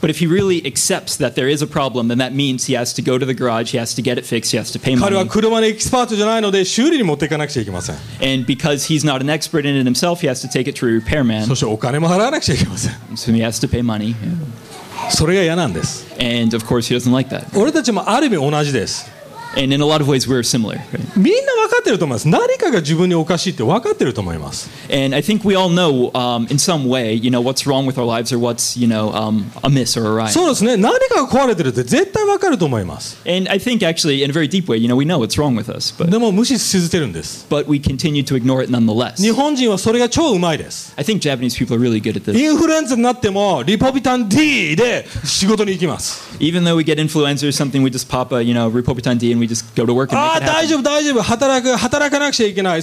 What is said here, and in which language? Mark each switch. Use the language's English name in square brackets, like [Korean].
[English] But if he really accepts that there is a problem, then that means he has to go to the garage, he has to get it fixed, he has to pay money. [Japanese] 彼は車のエキスパートじゃないので、修理に持っていかなくちゃいけません。 [English] And because he's not an expert in it himself, he has to take it to a repairman. [Japanese] そしてお金も払わなくちゃいけません。 [English] So he has to pay money. [Japanese] それが嫌なんです。 [English] And of course he doesn't like that. [Japanese] 俺たちもある意味同じです。 [English] And in a lot of ways, we're similar. [Japanese] みんな分かってると思います。何かが自分におかしいって分かってると思います。 [English] And I think we all know, in some way, you know, what's wrong with our lives or what's, you know, amiss or awry. [Japanese] そうですね。何かが壊れてるって絶対分かると思います。 [English] And I think actually, in a very deep way, you know, we know what's wrong with us. But... [Japanese] でも無視し続けるんです。 [English] But we continue to ignore it nonetheless. [Japanese] 日本人はそれが超うまいです。 [English] I think Japanese people are really good at this. [Japanese] インフルエンザになってもリポビタン D で仕事に行きます。 [English] Even though we get influenza or something, we just pop a, you know, Ripopitan D and we just go to work and make it happen. [Japanese] Ah, 大丈夫大丈夫働く働かなくちゃいけない。